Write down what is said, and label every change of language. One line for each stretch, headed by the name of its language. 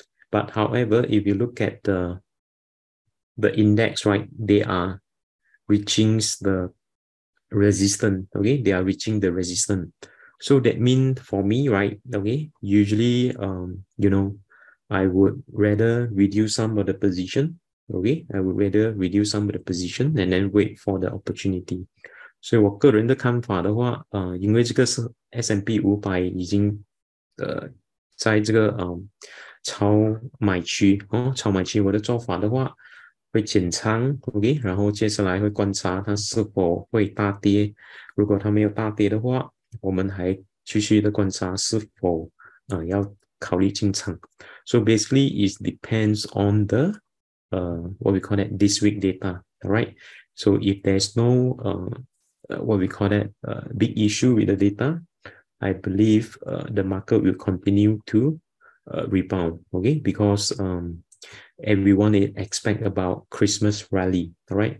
English: But however, if you look at the index, right, they are reaching the resistance, okay? They are reaching the resistance. So that means for me, right, okay, usually I would rather reduce some of the position. Okay, I would rather reduce some of the position and then wait for the opportunity.
Chinese: 所以我个人的看法的话，因为这个是 S&P 500已经在这个超买区哦，超买区。我的做法的话会减仓，OK，然后接下来会观察它是否会大跌。如果它没有大跌的话，我们还继续的观察是否要考虑进场。
English: So basically, it depends on the what we call that this week data, right? So if there's no what we call that big issue with the data, I believe the market will continue to rebound, okay? Because everyone expect about Christmas rally, all right?